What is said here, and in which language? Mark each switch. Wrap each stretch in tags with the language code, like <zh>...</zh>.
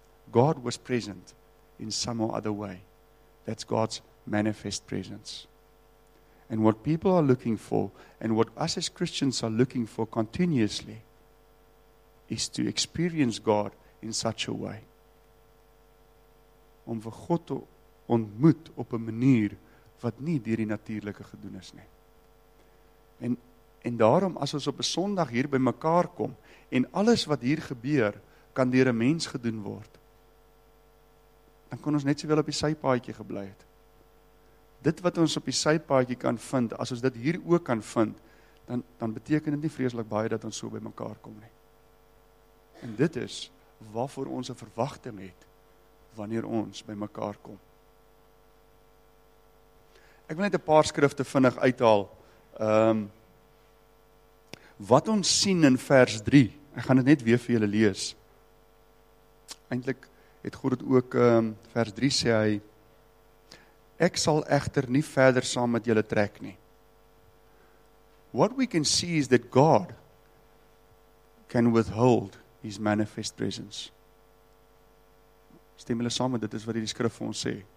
<en>God was present in some or other way. That's God's manifest presence. And what people are looking for, and what us as Christians are looking for continuously, is to experience God in such a way.</en> <af>Om vir God te ontmoet op 'n manier wat nie deur die natuurlike gedoen is nie. En daarom, as ons op 'n Sondag hier by mekaar kom, en alles wat hier gebeur, kan deur 'n mens gedoen word, dan kon ons net sowel op die sypaadjie gebly het. Dit wat ons op die sypaadjie kan vind, as ons dit hier ook kan vind, dan beteken dit nie vreeslik baie dat ons so by mekaar kom nie. En dit is waarvoor ons 'n verwagting het, wanneer ons by mekaar kom. Ek wil net 'n paar skrifte vinnig uithaal. Wat ons sien in vers 3, ek gaan dit net weer vir julle lees. Eintlik het God het ook, vers 3 sê hy, ek sal echter nie verder saam met julle trek nie.</af> <en>What we can see is that God can withhold his manifest presence.</en> <af>Stem hulle saam met dit is wat die skrif vir ons sê.</af>